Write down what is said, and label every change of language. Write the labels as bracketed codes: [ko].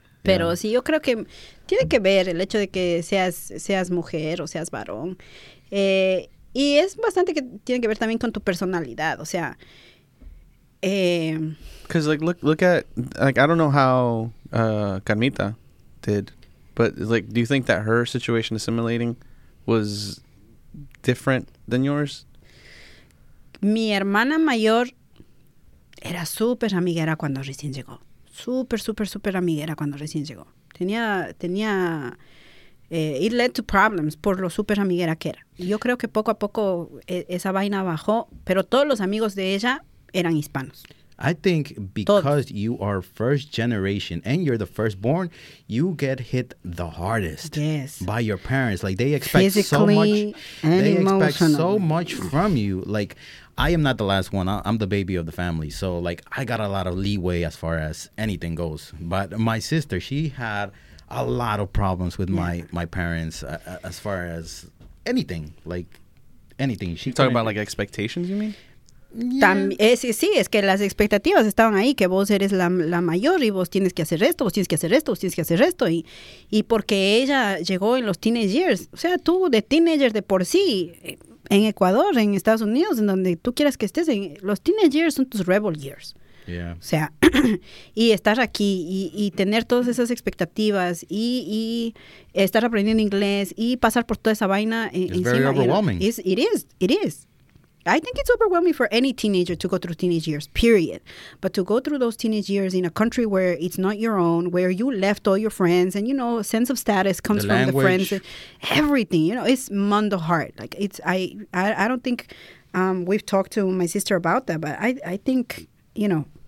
[es] Pero sí, yo creo que tiene que ver el hecho de que seas mujer o seas varón. Y es bastante que tiene que ver también con tu personalidad. O sea, [en] because like look at like I don't know how Carmita did, but like do you think that her situation assimilating was different than yours? [es] Mi hermana mayor era súper amiguera cuando recién llegó. Súper, súper, súper amiguera cuando recién llegó. Tenía [en] it led to problems [es] por lo súper amiguera que era. Yo creo que poco a poco esa vaina bajó, pero todos los amigos de ella eran hispanos. [en] I think because [es] todos. [en] You are first generation and you're the firstborn, you get hit the hardest. Yes. By your parents. Like they expect physically so much and they emotional. Expect so much from you. Like I am not the last one. I'm the baby of the family. So like I got a lot of leeway as far as anything goes. But my sister, she had a lot of problems with my parents as far as anything. Like anything. She talking about like expectations, you mean? Yeah. [es] Es que las expectativas estaban ahí, que vos eres la mayor y vos tienes que hacer esto, vos tienes que hacer esto, vos tienes que hacer esto. Y porque ella llegó en los [en] teenage years, [es] o sea, tú de teenager de por sí, en Ecuador, en Estados Unidos, en donde tú quieras que estés, los teenage years son tus [en] rebel years. Yeah. [es] O sea, y estar aquí y tener todas esas expectativas y estar aprendiendo inglés y pasar por toda esa vaina. [en] It's very overwhelming. It is. I think it's overwhelming for any teenager to go through teenage years, period. But to go through those teenage years in a country where it's not your own, where you left all your friends and, you know, sense of status comes the from language. The friends, everything, you know, it's [es] mundo [en] hard. Like it's, I don't think we've talked to my sister about that, but I think, you know.